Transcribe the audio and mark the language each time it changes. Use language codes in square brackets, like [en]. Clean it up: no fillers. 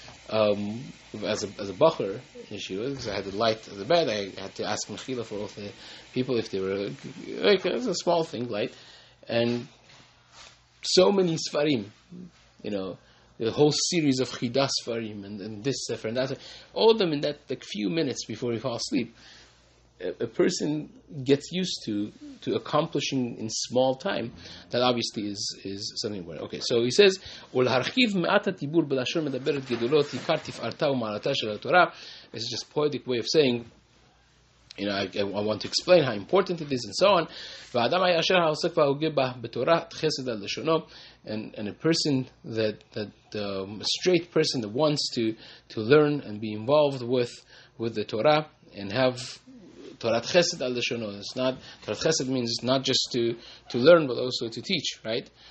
[en] As a bacher in yeshiva, because I had the light of the bed, I had to ask mechila for all the people if they were like, it was a small thing, light, and so many svarim, you know, the whole series of chidas svarim and this sefer and that, all of them in that like few minutes before you fall asleep, a person gets used to accomplishing in small time. That obviously is something where, okay, so he says, [he] ולהרחיב מעט הדיבור בלשון מדברת גדולות עיקר תפארתה ומעלתה של התורה. [en] This is just a poetic way of saying, you know, I want to explain how important it is and so on. [he] והאדם היה אשר העוסק והוגה בתורה חסד על לשונו. [en] And a person that a straight person that wants to learn and be involved with the Torah and have [he] Torat Chesed al Lashono. [en] It's not Torat Chesed means not just to learn, but also to teach, right?